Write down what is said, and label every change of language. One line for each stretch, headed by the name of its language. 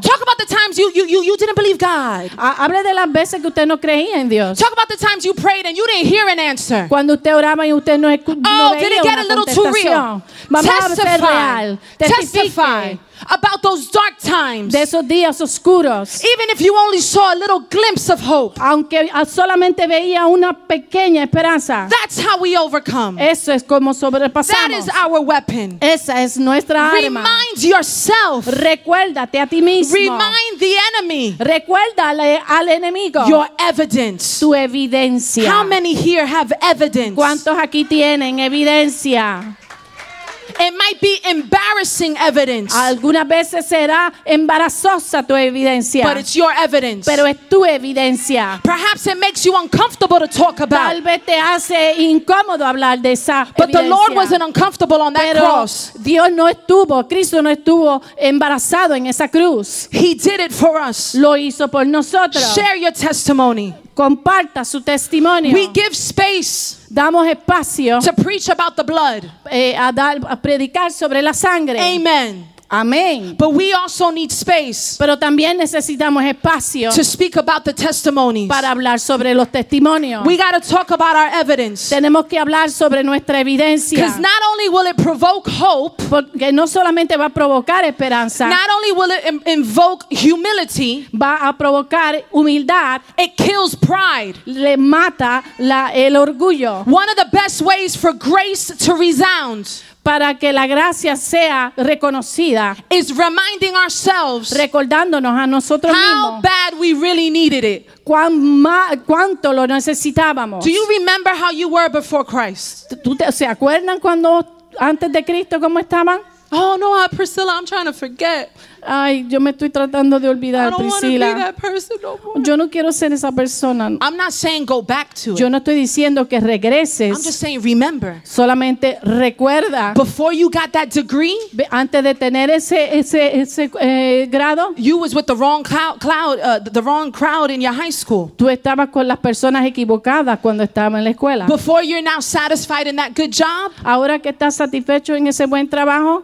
English: Talk about the times you didn't believe God.
Spanish: Hable de las veces que usted no creía en Dios.
English: Talk about the times you prayed and you didn't hear an answer.
Spanish: Cuando usted oraba y usted no escuchó.
English: Oh, did it get a little too real?
Spanish: Mamá,
English: testify.
Spanish: Real.
English: Testify. About those dark times.
Spanish: De esos días oscuros.
English: Even if you only saw a little glimpse of hope.
Spanish: Aunque solamente veía una pequeña esperanza.
English: That's how we overcome.
Spanish: Eso es como sobrepasamos.
English: That is our weapon.
Spanish: Esa es nuestra arma.
English: Remind yourself.
Spanish: Recuérdate a ti mismo.
English: Remind the enemy.
Spanish: Recuérdale al enemigo.
English: Your evidence.
Spanish: Tu evidencia.
English: How many here have evidence?
Spanish: ¿Cuántos aquí tienen evidencia?
English: It might be embarrassing evidence.
Spanish: Algunas veces será embarazosa tu evidencia.
English: But it's your evidence.
Spanish: Pero es tu evidencia.
English: Perhaps it makes you uncomfortable to talk about.
Spanish: Tal vez te hace incómodo hablar de esa evidencia.
English: But the Lord wasn't uncomfortable on that cross.
Spanish: Dios no estuvo, Cristo no estuvo embarazado en esa cruz.
English: He did it for us.
Spanish: Lo hizo por nosotros.
English: Share your testimony.
Spanish: Comparta su testimonio.
English: We give space.
Spanish: Damos espacio.
English: To preach about the blood.
Spanish: A predicar sobre la sangre.
English: Amen.
Spanish: Amen.
English: But we also need space.
Spanish: Pero también necesitamos espacio.
English: To speak about the testimonies.
Spanish: Para hablar sobre los testimonios.
English: We got to talk about our evidence.
Spanish: Tenemos que hablar sobre nuestra evidencia.
English: Because not only will it provoke hope.
Spanish: Porque no solamente va a provocar esperanza.
English: Not only will it invoke humility.
Spanish: Va a provocar humildad.
English: It kills pride.
Spanish: Le mata el orgullo.
English: One of the best ways for grace to resound.
Spanish: Para que la gracia sea reconocida,
English: is reminding ourselves,
Spanish: recordándonos a nosotros
English: how how bad we really needed it,
Spanish: cuánto lo necesitábamos.
English: Do you remember how you were before Christ?
Spanish: ¿Se acuerdan cuando antes de Cristo cómo estaban?
English: Oh no, Priscilla, I'm trying to forget.
Spanish: Ay, yo me estoy tratando de olvidar,
English: Priscilla. I don't want to be that person no more.
Spanish: Yo no quiero ser esa persona.
English: I'm not saying go back to it.
Spanish: Yo no estoy diciendo que regreses.
English: I'm just saying remember.
Spanish: Solamente recuerda.
English: Before you got that degree,
Spanish: antes de tener ese grado,
English: you was with the wrong crowd in your high school.
Spanish: Tú estabas con las personas equivocadas cuando estabas en la escuela.
English: Before you're now satisfied in that good job,
Spanish: ahora que estás satisfecho en ese buen trabajo,